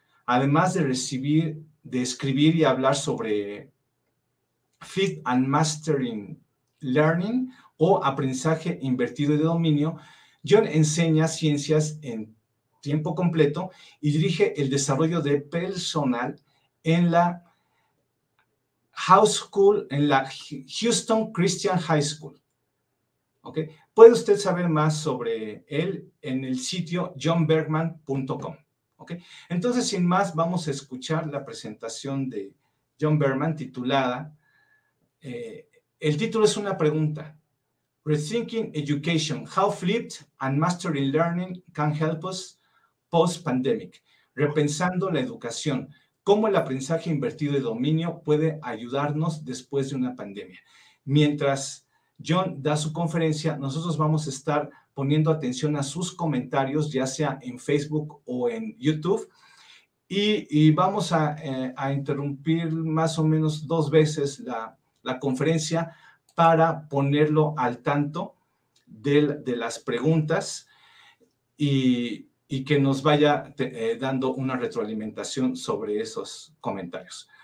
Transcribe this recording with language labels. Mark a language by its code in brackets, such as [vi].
[es] Además de recibir, de escribir y hablar sobre Fit and Mastering Learning o aprendizaje invertido y de dominio, Jon enseña ciencias en tiempo completo y dirige el desarrollo de personal en la House School, en la Houston Christian High School. ¿Okay? Puede usted saber más sobre él en el sitio jonbergmann.com. ¿Okay? Entonces, sin más, vamos a escuchar la presentación de Jon Bergmann titulada. El título es una pregunta. [en] Rethinking Education, How Flipped and Mastering Learning Can Help Us Post-Pandemic. [es] Repensando la educación, ¿cómo el aprendizaje invertido de dominio puede ayudarnos después de una pandemia? Mientras Jon da su conferencia, nosotros vamos a estar poniendo atención a sus comentarios, ya sea en Facebook o en YouTube, y vamos a interrumpir más o menos dos veces la conferencia para ponerlo al tanto de las preguntas y que nos vaya dando una retroalimentación sobre esos comentarios.